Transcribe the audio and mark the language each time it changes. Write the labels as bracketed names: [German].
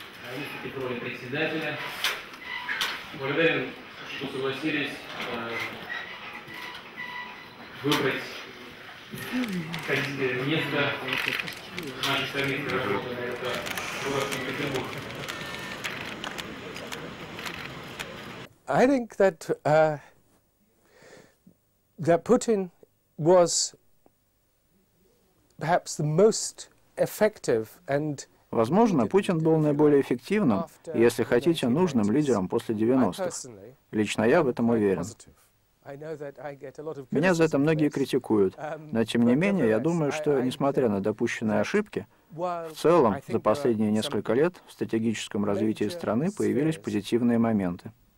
[Russian] Алексею Петрову, председателя. Благодарен, что согласились выбрать место нашей совместной работы, это город Санкт-Петербург. [English] I think that that Putin was perhaps the most effective and. [Russian] Возможно, Путин был наиболее эффективным, если хотите, нужным лидером после 90-х. Лично я в этом уверен. Меня за это многие критикуют, но тем не менее, я думаю, что, несмотря на допущенные ошибки, в целом за последние несколько лет в стратегическом развитии страны появились позитивные моменты.